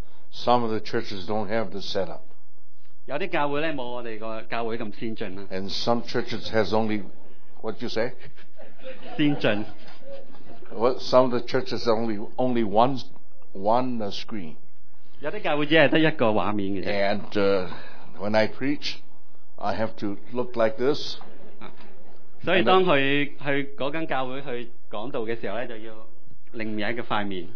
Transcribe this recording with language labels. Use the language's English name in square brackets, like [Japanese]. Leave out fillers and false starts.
[English] Some of the churches don't have this set up. [Cantonese] 有啲教会咧冇我哋个教会咁先进啦。 [English] And some churches has only what you say? [Cantonese] 先进。 [English] What some of the churches only one. One screen. [Cantonese] 有啲教会只系得一个画面嘅。 [English] And when I preach, I have to look like this. [Cantonese] 所以当佢去嗰间教会去讲道嘅时候咧，就要另一个块面。